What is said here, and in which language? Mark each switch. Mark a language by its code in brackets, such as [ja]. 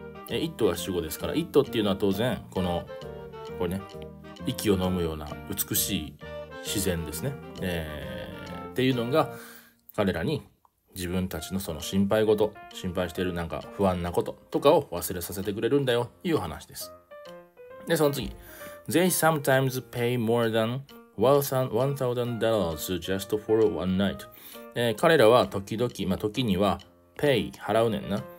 [ja] it は主語ですから it っていうのは当然このこれね、息を飲むような美しい自然ですね、っていうのが彼らに自分たちのその心配事、心配しているなんか不安なこととかを忘れさせてくれるんだよという話です。で、その次。 [en] They sometimes pay more than $1,000 just for one night。 [ja] 彼らは時々、まあ時には pay 払うねんな。